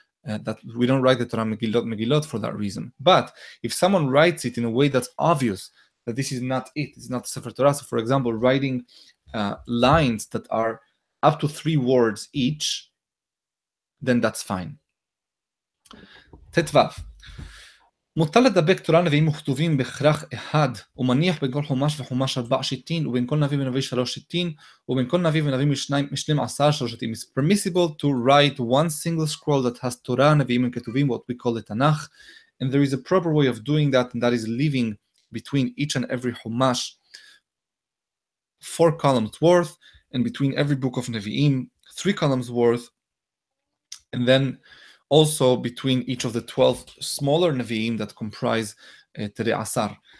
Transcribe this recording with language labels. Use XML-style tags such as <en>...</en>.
<en>That we don't write the Torah Megillot for that reason. But if someone writes it in a way that's obvious that this is not it, it's not Sefer Torah. So for example, writing lines that are up to 3 words each, then that's fine.</en> <he>Tetvav. מותר לדבק תורה נביאים וכתובים בהכרח אחד, ומניח בין כל חומש וחומש 4 שיטין, ובין כל נביא ונביא 3 שיטין, ובין כל נביא ונביא משלים 10 שיטין.</he> <en>It's permissible to write one single scroll that has Torah, נביאים וכתובים, what we call the Tanakh, and there is a proper way of doing that, and that is leaving between each and every חומש 4 columns worth, and between every book of נביאים 3 columns worth, and then also between each of the 12 smaller Nevi'im that comprise Tere Asar.</en>